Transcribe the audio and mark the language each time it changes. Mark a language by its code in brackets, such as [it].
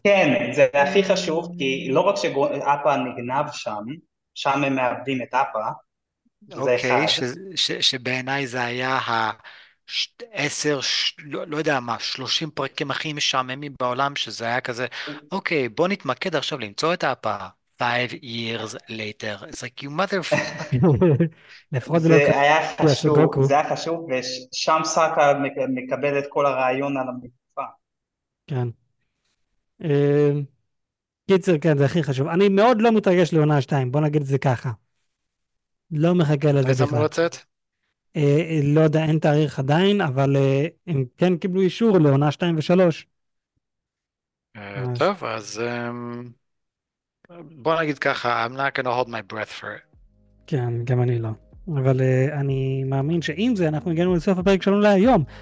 [he] כן, זה הכי חשוב, כי לא רק שאפה נגנב שם הם מאבדים את אפה, זה אוקיי, אחד. שבעיניי זה היה עשר, לא יודע מה, 30 פרקים הכי משעממים בעולם, שזה היה כזה, אוקיי, בוא נתמקד עכשיו למצוא את האפה. [en] 5 years later, it's like you motherfucker. [he] לפחות זה לא זה היה קרה חשוב, סוגוקו. זה היה חשוב, ושם סאקה מקבל את כל הרעיון על המגפה. כן. קיצר, כן, זה הכי חשוב. אני מאוד לא מתרגש לעונה 2, בוא נגיד את זה ככה. לא מחכה לזה מתי זה אמור בכלל. לצאת? לא יודע, אין תאריך עדיין, אבל הם כן קיבלו אישור לעונה 2 ו-3. אז טוב, אז בוא נגיד ככה, [en] I'm not gonna hold my breath for it. [he] כן, גם אני לא. אבל אני מאמין שעם זה אנחנו הגענו לסוף הפרק שלנו להיום.